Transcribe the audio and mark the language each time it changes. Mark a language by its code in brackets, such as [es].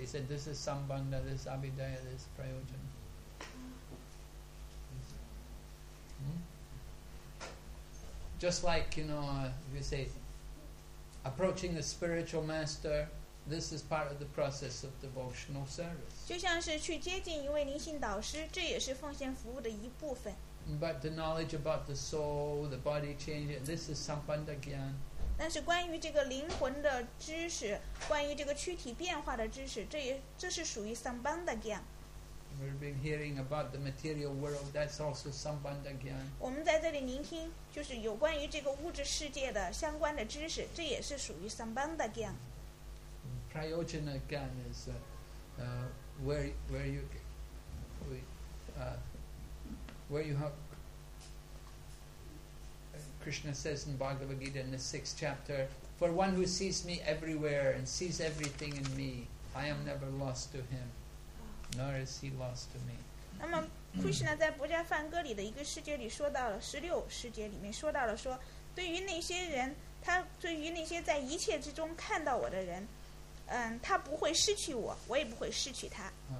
[en] He said, "This is Sambandha, this is Abhideya, this is Prayojana." Mm. Just like, you know, you say, approaching the spiritual master, this is part of the process of devotional service. [zh] 就像是去接近一位灵性导师，这也是奉献服务的一部分。 [en] But the knowledge about the soul, the body change, this is Sambandha Gyan. [zh] 但是关于这个灵魂的知识， 关于这个躯体变化的知识， 这是属于 Sambandha Gyan. [en] We've been hearing about the material world, that's also Sambandha Gyan. [zh] 我们在这里聆听， 就是有关于这个物质世界的相关的知识， 这也是属于 Sambandha Gyan. [en] cryogenic gun is where you have Krishna says in Bhagavad Gita in the 6th chapter, for one who sees me everywhere and sees everything in me, I am never lost to him, nor is he lost to me. [zh] 那么 Krishna 在《博迦梵歌》里的一个世界里说到了，十六世界里面说到了说， 对于那些人，他对于那些在一切之中看到我的人， 他不会失去我， 我也不会失去他。